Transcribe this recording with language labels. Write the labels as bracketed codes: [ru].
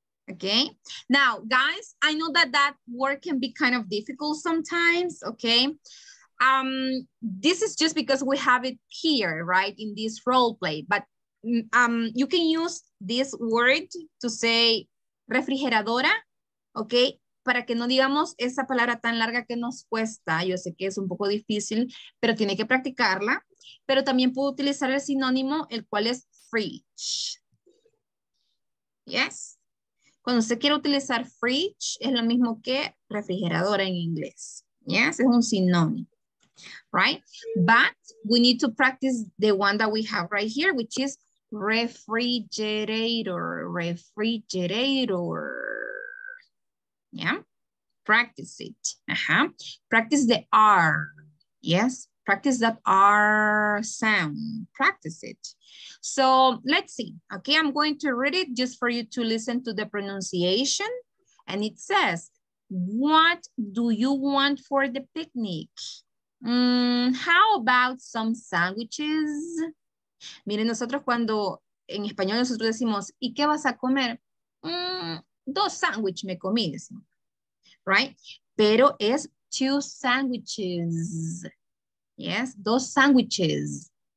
[en] Okay, now guys, I know that that word can be kind of difficult sometimes, okay? This is just because we have it here, right, in this role play, but you can use this word to say refrigeradora, okay? [es] Para que no digamos esa palabra tan larga que nos cuesta. Yo sé que es un poco difícil, pero tiene que practicarla. Pero también puedo utilizar el sinónimo, el cual es fridge. Yes. Cuando usted quiere utilizar fridge, es lo mismo que refrigeradora en inglés. Yes, es un sinónimo. Right? [en] But we need to practice the one that we have right here, which is refrigerator, refrigerator. Yeah, practice it. Uh-huh. Practice the R. Yes, practice that R sound. Practice it. So let's see. Okay, I'm going to read it just for you to listen to the pronunciation. And it says, what do you want for the picnic? How about some sandwiches? [es] Miren, nosotros cuando en español nosotros decimos, ¿y qué vas a comer? Dos sándwiches me comí. Right? Pero es [en] two sandwiches. [es] Yes? Dos sandwiches.